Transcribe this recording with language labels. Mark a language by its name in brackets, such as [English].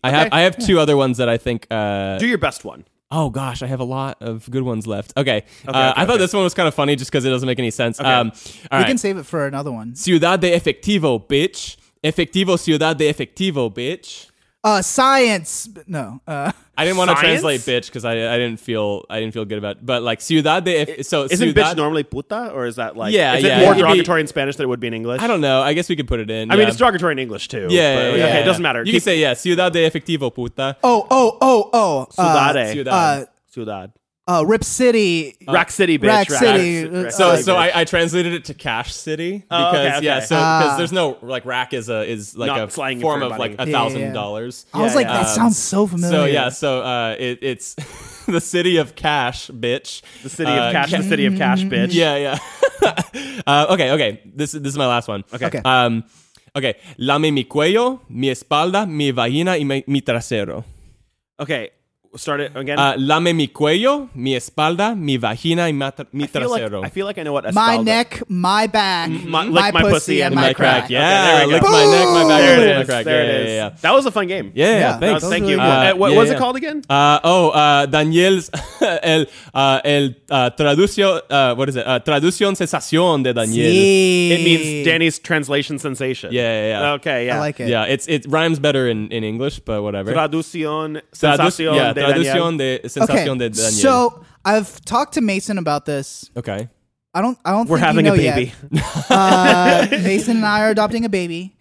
[English] I have two other ones that I think... Do your best one. Oh, gosh. I have a lot of good ones left. Okay. I thought this one was kind of funny just because it doesn't make any sense. We can save it for another one. [Spanish] Ciudad de Efectivo, bitch. Efectivo, Ciudad de Efectivo, bitch. [English] Science. No. I didn't want to translate bitch because I didn't feel good about it. But like ciudad de... Isn't [Spanish] ciudad, [English] bitch normally puta? Or is that like... Yeah, is it yeah, more derogatory in Spanish than it would be in English? I don't know. I guess we could put it in. I mean, it's derogatory in English too. Yeah, but, yeah. Okay, yeah. It doesn't matter. You can say, yeah, [Spanish] ciudad de efectivo puta. [English] Oh. [Spanish] Ciudad. Ciudad. [English] Rip City. Rack City, bitch. Rack City. So I translated it to Cash City. Because, oh, okay, okay. Yeah, so because there's no, like, rack is like not a form of, everybody. Like, $1,000. Yeah, yeah. I was like, that sounds so familiar. So, yeah, so it's the city of cash, bitch. The city of cash, the city of cash, bitch. Yeah, yeah. Okay. This is my last one. Okay. [Spanish] Lame mi cuello, mi espalda, mi vagina y mi trasero. [English] Okay. Start it again. [Spanish] Lame mi cuello, mi espalda, mi vagina, y mi trasero. [English] I feel like I know what espalda. My neck, my back, my pussy, and my crack. Yeah, okay, there we go. Lick my neck, my back, there it is. And my crack. There yeah, it is. Yeah. That was a fun game. Yeah, yeah, thanks. Thank you. What was it called again? [Spanish] Daniel's, traducción sensación de Daniel. Sí. [English] It means Danny's translation sensation. Yeah, yeah, yeah. Okay, yeah. I like it. Yeah, it rhymes better in English, but whatever. [Spanish] Traducción sensación. [English] So I've talked to Mason about this. Okay. I don't think we're having a baby yet. Mason and I are adopting a baby.